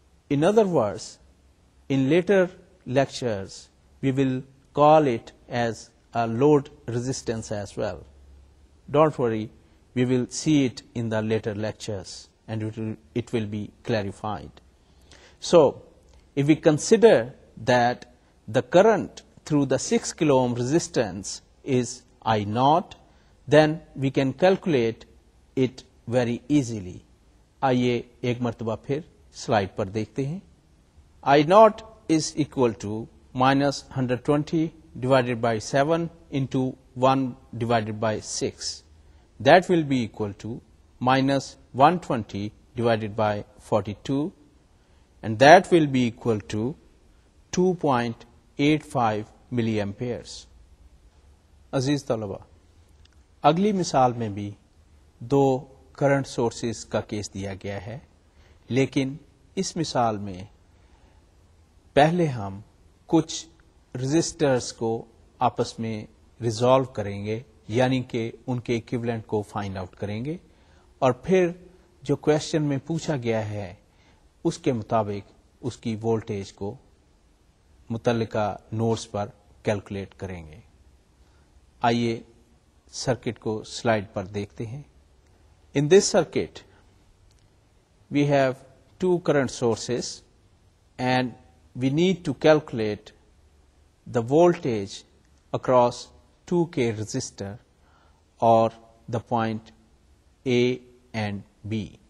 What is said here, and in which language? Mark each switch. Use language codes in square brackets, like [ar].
[en] In other words, in later lectures we will call it as a load resistance as well. Don't worry, we will see it in the later lectures. and it will be clarified. So if we consider that the current through the 6 kilo ohm resistance is I naught, then we can calculate it very easily. [ur] آئیے ایک مرتبہ پھر slide پر دیکھتے ہیں. [en] I naught is equal to minus 120 divided by 7 into 1 divided by 6. That will be equal to minus 120 divided by 42. And that will be equal to 2.85 milliamperes. [ur] عزیز طلبہ اگلی مثال میں بھی دو کرنٹ سورسز کا کیس دیا گیا ہے, لیکن اس مثال میں پہلے ہم کچھ رزسٹرز کو آپس میں ریزالو کریں گے, یعنی کہ ان کے ایکویلنٹ کو فائنڈ آؤٹ کریں گے, اور پھر جو کوشچن میں پوچھا گیا ہے اس کے مطابق اس کی وولٹیج کو متعلقہ نوڈز پر کیلکولیٹ کریں گے. آئیے سرکٹ کو سلائیڈ پر دیکھتے ہیں. [en] In this circuit, we have two current sources and we need to calculate the voltage across 2K resistor or the point A and B.